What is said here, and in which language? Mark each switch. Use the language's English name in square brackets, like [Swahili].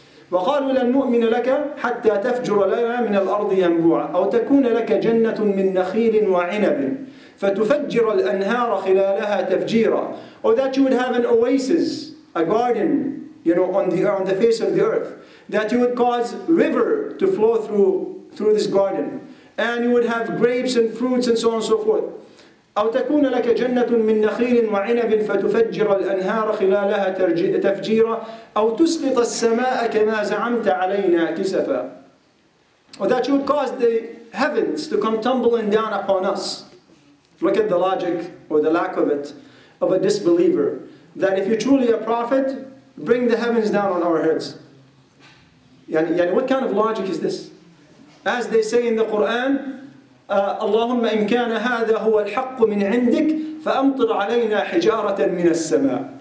[Arabic] وَقَالُوا لَن نُؤْمِنَ لَكَ حَتَّى تَفْجُرَ لَنَا مِنَ الْأَرْضِ يَنْبُوعًا أَوْ تَكُونَ لَكَ جَنَّةٌ مِّن نَخِيلٍ وَعِنَبٍ فَتُفَجِّرَ الْأَنْهَارَ خِلَالَهَا تَفْجِيرًا. [English] Or that you would have an oasis, a garden, you know, on the face of the earth, that you would cause river to flow through this garden, and you would have grapes and fruits and so on and so forth. [Arabic] أو تكون لك جنة من نخيل وعنب فتفجر الأنهار خلالها تفجيرا أو تسقط السماء كما زعمت علينا كسفا. [English] Or that you would cause the heavens to come tumbling down upon us. Look at the logic or the lack of it of a disbeliever. That if you're truly a prophet, bring the heavens down on our heads. [Arabic] يعني [English] what kind of logic is this? As they say in the Quran, [Arabic] اللهم إن كان هذا هو الحق من عندك فأمطر علينا حجارة من السماء.